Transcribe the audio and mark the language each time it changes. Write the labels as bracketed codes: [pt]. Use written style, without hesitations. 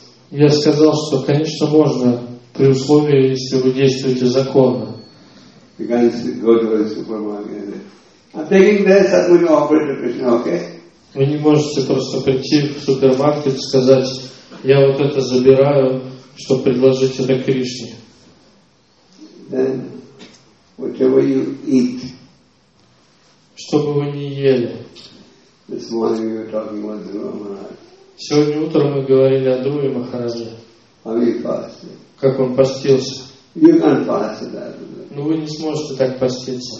[ru] Я сказал, что, конечно, можно, при условии, если вы действуете законно. [en] You can go to a supermarket. I'm taking this, I'm going to offer it to Krishna, okay? [ru] Вы не можете просто прийти в супермаркет и сказать, я вот это забираю, чтобы предложить это Кришне. [en] Then, whatever you eat, [ru] что бы вы ни ели. [en] This morning we were talking about Dhruva Maharaj. [ru] Сегодня утром мы говорили о Друве Махараджа. [en] How he fasted. [ru] Как он постился. [en] You can't fast it that way. [ru] Ну вы не сможете так поститься.